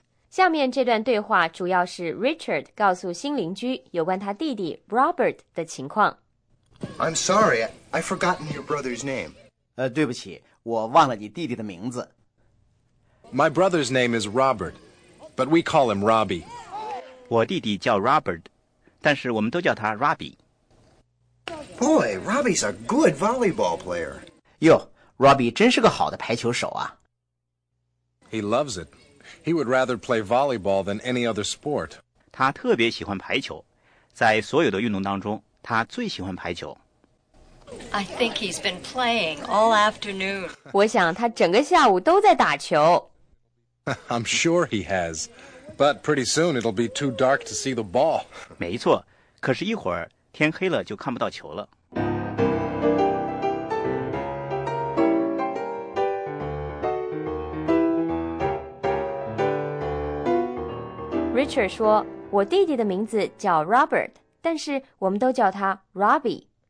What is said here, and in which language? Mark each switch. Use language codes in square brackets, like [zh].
[zh] 下面这段对话主要是 Richard 告诉新邻居有关他弟弟 Robert 的情况。 [en] I'm sorry, I've forgotten your brother's name. [zh] 对不起，我忘了你弟弟的名字。 [en] My brother's name is Robert, but we call him Robbie. [zh] 我弟弟叫 Robert, 但是我们都叫他 Robbie. [en] Boy, Robbie's a good volleyball player. [zh] 哟 ,Robbie 真是个好的排球手啊。 [en] He loves it. He would rather play volleyball than any other sport. [zh] 他特别喜欢排球，在所有的运动当中，他最喜欢排球。 [en] I think he's been playing all afternoon. [zh] 我想他整个下午都在打球。 [en] I'm sure he has, but pretty soon it'll be too dark to see the ball. [zh] 没错，可是一会儿天黑了就看不到球了。 Richard 说，我弟弟的名字叫 Robert， 但是我们都叫他 Robbie。